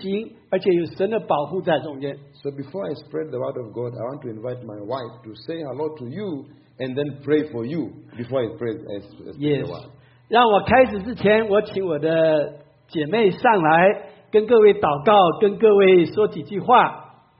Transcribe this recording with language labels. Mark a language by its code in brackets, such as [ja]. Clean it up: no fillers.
[zh] 那么我虽然不能在那边，但是我们祷告求神，让他有足够的一个很好的一个婚礼，很好的一个进行，而且有神的保护在中间。 [en] So before I spread the word of God, I want to invite my wife to say hello to you and then pray for you before I spread the word. Yes. [zh] 让我开始之前，我请我的姐妹上来跟各位祷告，跟各位说几句话。